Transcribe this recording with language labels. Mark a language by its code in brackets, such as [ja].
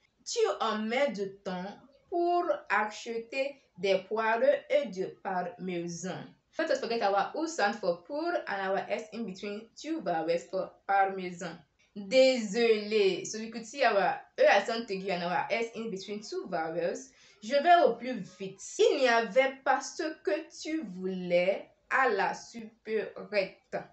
[fr] Tu en mets du temps pour acheter des poireaux et du parmesan. [en] Don't let us forget our U sound for pour and our S in between two vowels for parmesan. [fr] Désolé. [en] So we could see our E accent aigu and our S in between two vowels. [fr] Je vais au plus vite. Il n'y avait pas ce que tu voulais à la supérette.